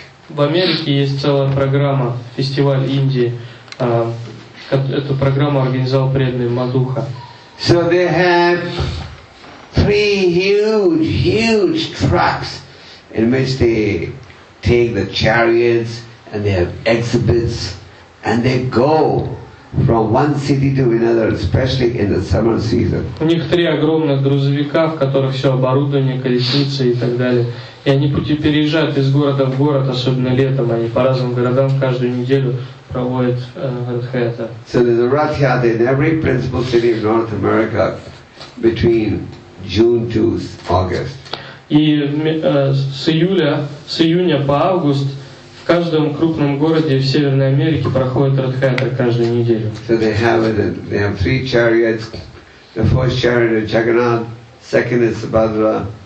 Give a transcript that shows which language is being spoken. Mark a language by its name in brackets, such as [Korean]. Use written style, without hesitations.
[Russian] В Америке есть целая программа, фестиваль Индии. Эту программу организовал преданный Мадуха. [English] So they have three huge, huge trucks in which they take the chariots and they have exhibits and they go from one city to another, especially in the summer season. [Russian] У них три огромных грузовика, в которых все оборудование, колесницы и так далее. И они пути переезжают из города в город, особенно летом, они по разным городам каждую неделю проводят Радхаята. [English] So there's a Радхаята in every principal city of North America between June to August. [Russian] И с июня по август в каждом крупном городе в Северной Америке проходит Радхаята каждую неделю. [English] So they have three chariots. The first chariot is Jagannath, second is Subhadra.